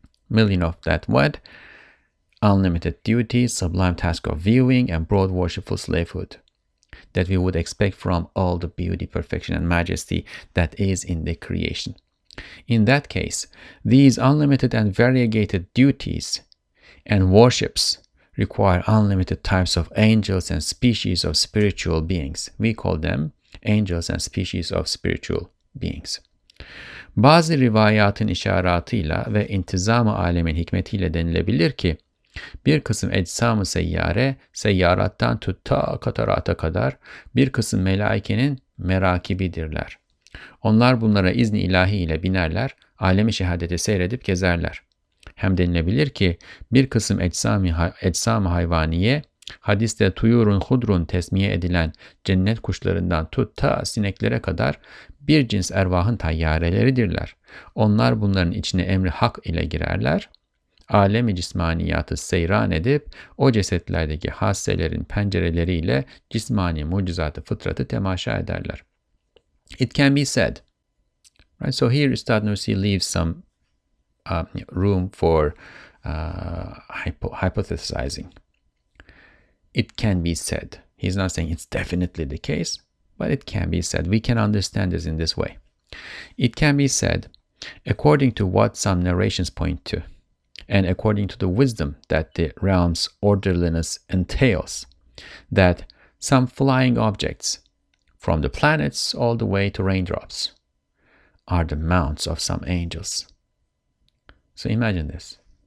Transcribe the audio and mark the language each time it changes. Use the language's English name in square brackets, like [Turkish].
[English] Million of that what? Unlimited duty, sublime task of viewing, and broad worshipful slavehood that we would expect from all the beauty, perfection, and majesty that is in the creation. In that case, these unlimited and variegated duties and worships require unlimited types of angels and species of spiritual beings. We call them angels and species of spiritual beings. [Turkish] Bazı rivayatın işaratıyla ve intizamı alemin hikmetiyle denilebilir ki, bir kısım ecsam-ı seyyare, seyyarattan tut ta katarata kadar bir kısım melaikenin merakibidirler. Onlar bunlara izni ilahi ile binerler, alemi şehadeti seyredip gezerler. Hem denilebilir ki bir kısım ecsam-ı hayvaniye, hadiste tuyurun hudrun tesmiye edilen cennet kuşlarından tut ta sineklere kadar bir cins ervahın tayyareleridirler. Onlar bunların içine emri hak ile girerler. Alemi cismaniyatı seyran edip o cesetlerdeki hasselerin pencereleriyle cismani mucizatı fıtratı temaşa ederler. [English] It can be said, right? So here Üstad Nursi leaves some room for hypothesizing. It can be said. He's not saying it's definitely the case, but it can be said. We can understand this in this way. It can be said, according to what some narrations point to, and according to the wisdom that the realm's orderliness entails, that some flying objects, from the planets all the way to raindrops, are the mounts of some angels. So imagine this.